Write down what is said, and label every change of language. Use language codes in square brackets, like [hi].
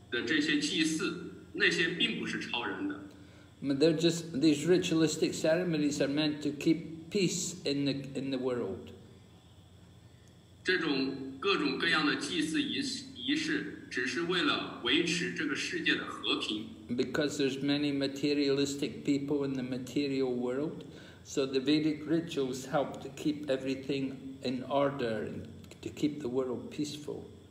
[zh] 而伟达经中所描述的是这些仪式的这些祭祀，那些并不是超然的。 [en] They're just these ritualistic ceremonies are meant to keep peace in the world. [zh] 这种各种各样的祭祀仪式，只是为了维持这个世界的和平。 [en] Because there's many materialistic people in the material world, so the Vedic rituals help to keep everything in order and to keep the world peaceful.